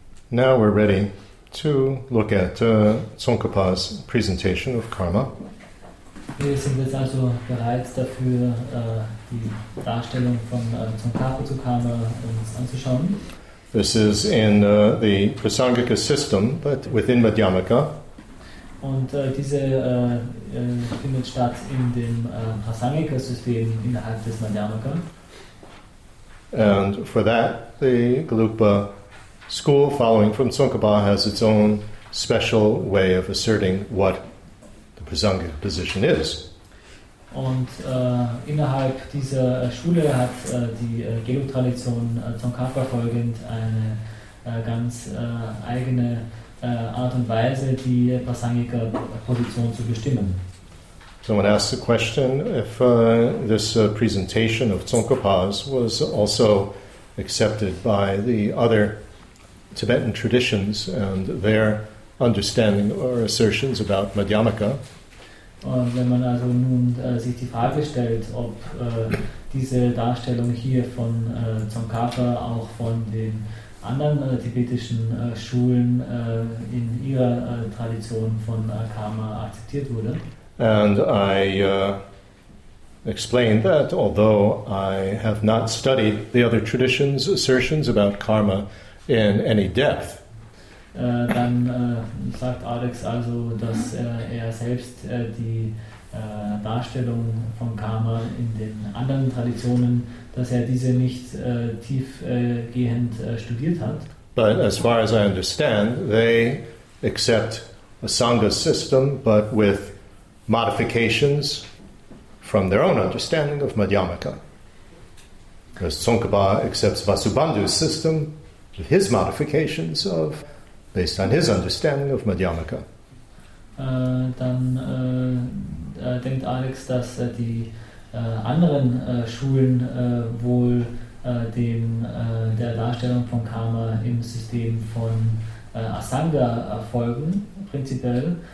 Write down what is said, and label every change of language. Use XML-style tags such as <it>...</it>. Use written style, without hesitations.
<en>Now we're ready to look at Tsongkhapa's presentation of karma.</en> <de>Wir sind jetzt also bereit dafür, die Darstellung von Tsongkhapa zu Karma uns anzuschauen.</de> <en>This is in the Prasangika system, but within Madhyamaka.</en> <de>Und diese findet statt in dem Prasangika-System innerhalb des Madhyamaka.</de> <en>And for that, the Gelugpa school following from Tsongkhapa has its own special way of asserting what the Prasangika position is.</en> <de>Und innerhalb dieser Schule hat die Gelug-Tradition Tsongkhapa folgend eine ganz eigene Art und Weise, die Prasangika-Position zu bestimmen.</de> <en>Someone asked the question if this presentation of Tsongkhapa's was also accepted by the other Tibetan traditions and their understanding or assertions about Madhyamaka.</en> <de>Und wenn man also nun sich die Frage stellt, ob diese Darstellung hier von Tsongkhapa auch von den anderen tibetischen Schulen in ihrer Tradition von Karma akzeptiert wurde.</de> <en>And I explained that although I have not studied the other traditions' assertions about karma in any depth,</en> <de>dann sagt Alex also, dass er selbst die Darstellung von Karma in den anderen Traditionen, dass er diese nicht tiefgehend studiert hat.</de> <en>But as far as I understand, they accept a Sangha system, but with modifications from their own understanding of Madhyamaka. Because Tsongkhapa accepts Vasubandhu's system with his modifications of based on his understanding of Madhyamaka.</en> <de>Dann denkt Alex, dass die anderen Schulen wohl der Darstellung von Karma im System von Asanga folgen, prinzipiell.</de>